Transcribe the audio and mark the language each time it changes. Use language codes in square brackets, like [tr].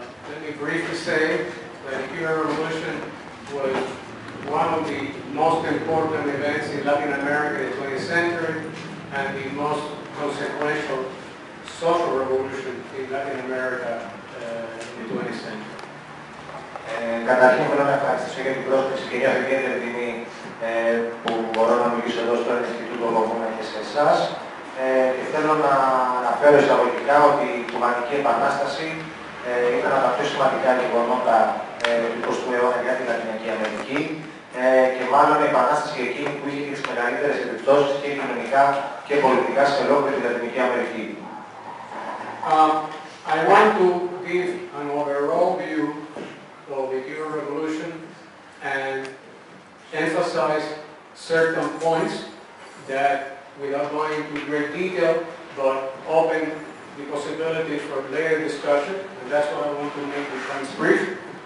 [en] Let me briefly say that the Cuban Revolution was one of the most important events in Latin America in the 20th century and the most consequential social revolution in Latin America in the 20th century. [el] Καταρχήν θέλω να ευχαριστήσω για την πρόσκληση και για την ιδιαίτερη τιμή που μπορώ να μιλήσω εδώ στο Ινστιτούτο Λόγων και σε εσάς. Και θέλω να αναφέρω εισαγωγικά ότι η Κουβανική Επανάσταση ήταν από τα πιο σημαντικά γεγονότα του 20ου αιώνα για την Λατινική Αμερική και μάλλον η Επανάσταση εκείνη που είχε τις μεγαλύτερες επιπτώσεις και κοινωνικά και πολιτικά σε ολόκληρη την Λατινική Αμερική. [en] I want to give an overall view of the Cuban Revolution and emphasize certain points that, without going into great detail, but open the possibility for later discussion, and that's why I want to make the points brief.